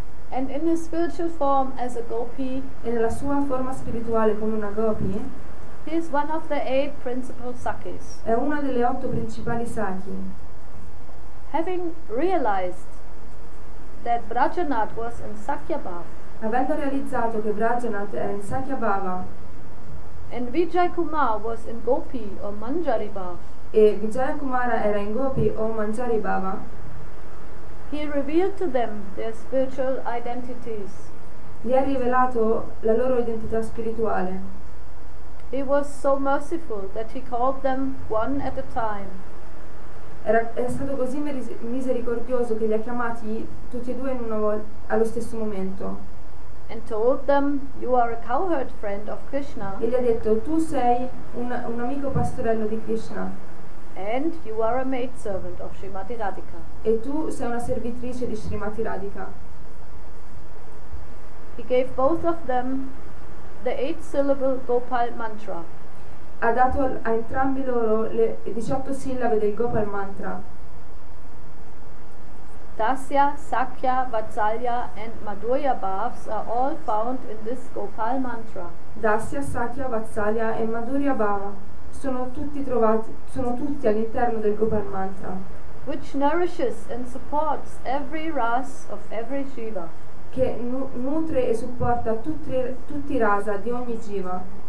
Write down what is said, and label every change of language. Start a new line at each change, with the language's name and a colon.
English: And in his spiritual form as a gopi,
Italian: e nella sua forma spirituale come una gopi,
English: he is one of the eight principal sakis.
Italian: È una delle otto principali sakhi.
English: Having realized that Vrajanath was in Sakyabhava,
Italian: avendo realizzato che Vrajanath era in Sakyabhava,
English: and Vijay Kumar was in Gopi or Manjari Bhava.
Italian: E Vijay Kumar era in Gopi o Manjari Bhava.
English: He revealed to them their spiritual identities.
Italian: Gli ha rivelato la loro identità spirituale.
English: He was so merciful that he called them one at a time.
Italian: Era è stato così misericordioso che li ha chiamati tutti e due in una volta allo stesso momento.
English: And told them, "You are a cowherd friend of Krishna."
Italian: E gli ha detto, tu sei un amico pastorello di Krishna.
English: And you are a maid servant of Srimati Radhika.
Italian: E tu sei una servitrice di Srimati Radhika.
English: He gave both of them the eight-syllable Gopal mantra.
Italian: Ha dato a entrambi loro le 18 sillabe del Gopal mantra.
English: Dasya, Sakya, Vatsalya and Madhurya Bhavs are all found in this Gopal mantra.
Italian: Dasya, Sakya, Vatsalya and Madhurya Bhava sono tutti all'interno del Gopal mantra.
English: Which nourishes and supports every ras of every Shiva.
Italian: che nutre e supporta tutti i rasa di ogni jiva.